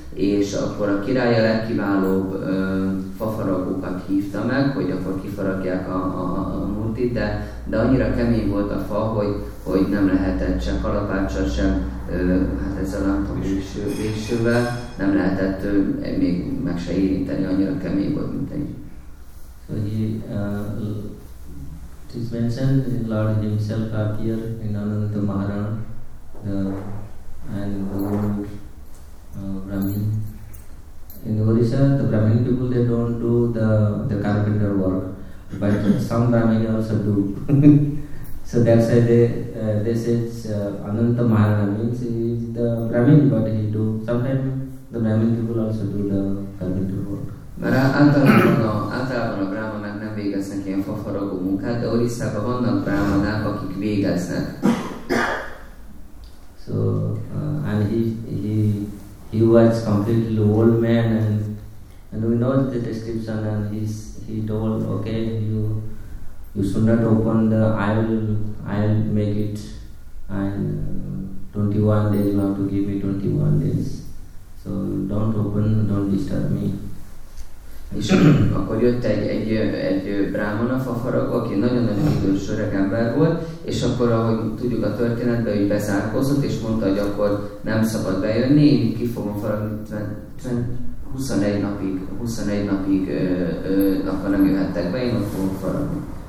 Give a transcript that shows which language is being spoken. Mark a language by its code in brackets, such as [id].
[hu] és akkor a király a legkiválóbb fafaragókat hívta meg, hogy akkor kifaragják a multit, de annyira kemény volt a fa, hogy nem lehetett sem kalapáccsal, sem hát ezzel a végsővel, nem lehetett még meg se érinteni, annyira kemény volt, mint egy. [en] So he, it is mentioned, Lord himself appeared in Ananda Maharan, and the old Brahmin. In Orisha, the Brahmin people, they don't do the carpenter work, but some Brahmin also do. So that's why they say it's Ananda Maharan, means he is the Brahmin, but he do. Sometimes the Brahmin people also do the carpenter work. [hu] Mert általában a brámanák nem végeznek ilyen fafaragó munkát, de Orisszában vannak brámanák, akik végeznek. [en] So, and he was completely old man, and we know the description, and he told, okay, you should not open the, I'll make it, and 21 days, you have to give me 21 days. So, don't open, don't disturb me. [hu] És akkor jött egy brámana fafaragó, aki nagyon-nagyon idős öreg ember volt, és akkor, ahogy tudjuk a történetben, hogy bezárkózott, és mondta, hogy akkor nem szabad bejönni, én ki fogom faragni 21 napig akkor nem jöhettek be, én ott fogom faragni.